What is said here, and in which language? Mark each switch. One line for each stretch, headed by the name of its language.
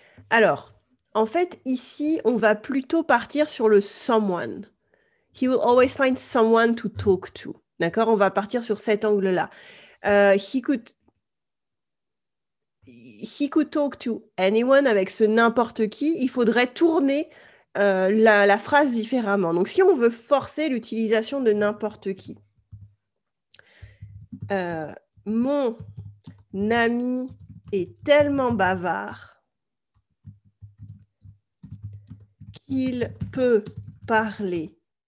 French: Alors, en fait, ici, on va plutôt partir sur le someone.
English: He will always find someone to talk to.
French: D'accord? On va partir sur cet angle-là.
English: He could talk to anyone
French: avec ce n'importe qui. Il faudrait tourner la phrase différemment. Donc, si on veut forcer l'utilisation de n'importe qui, mon ami est tellement bavard qu'il peut parler.